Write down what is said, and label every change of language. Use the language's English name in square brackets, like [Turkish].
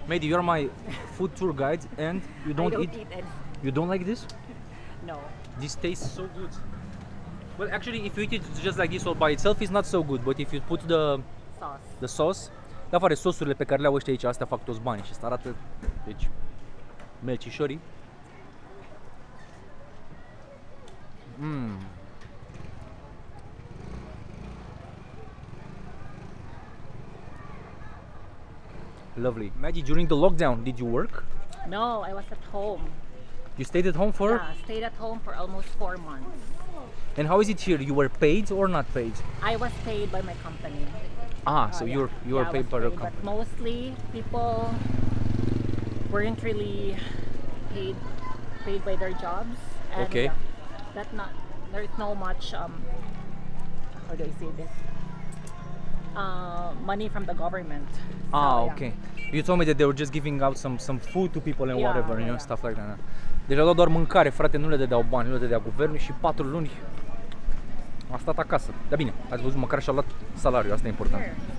[English] Maddie, you're my food tour guide and you don't, I don't eat it. You don't like this? No. This tastes so good. Well, actually, if you eat it just like this all by itself, it's not so good. But if you put the sauce. [Romanian] De afară, sosurile pe care le-au ăștia aici, astea fac toți bani și asta arată, deci, melcișorii. Mm. [English] Lovely. Maddie, during the lockdown, did you work? No, I was at home. You stayed at home for? Yeah, stayed at home for almost 4 months. And how is it here? You were paid or not paid? I was paid by my company. Ah, so you're yeah, paid by your company. But mostly people weren't really paid by their jobs. And okay. That not there's no much how do I say this? Money from the government. Ah, so, okay. Yeah. You told me that they were just giving out some food to people and yeah, whatever, yeah, you know, yeah. Stuff like that. [Romanian] Deci au luat doar mâncare, frate, nu le dădeau bani, nu le dădeau guvernul și 4 luni a stat acasă. Dar bine, ați văzut, măcar și-au luat salariul, asta e important.